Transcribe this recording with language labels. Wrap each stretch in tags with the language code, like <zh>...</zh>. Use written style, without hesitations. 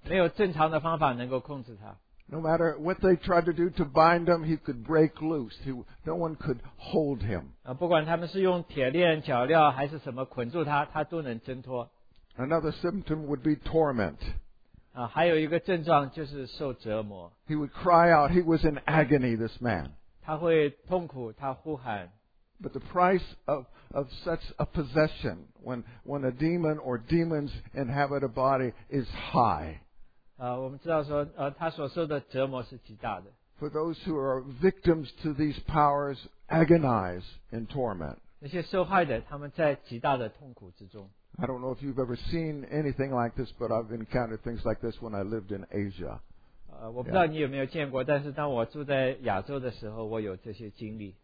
<zh>没有正常的方法能够控制他。</zh> <en>No matter what they tried to do to bind him, he could break loose. No one could hold him.</en> <zh>不管他们是用铁链、脚镣还是什么捆住他，他都能挣脱。</zh> <en>Another symptom would be torment.</en> <zh>还有一个症状就是受折磨。</zh> <en>He would cry out. He was in agony, this man.</en> <zh>他会痛苦，他呼喊。</zh> <en>But the price of such a possession, when a demon or demons inhabit a body, is high.</en> <zh>我们知道说，他所受的折磨是极大的。</zh> <en>For those who are victims to these powers, agonize in torment.</en> <zh>那些受害的，他们在极大的痛苦之中。</zh> <en>I don't know if you've ever seen anything like this, but I've encountered things like this when I lived in Asia.</en> <zh>我不知道你有没有见过，但是当我住在亚洲的时候，我有这些经历。</zh>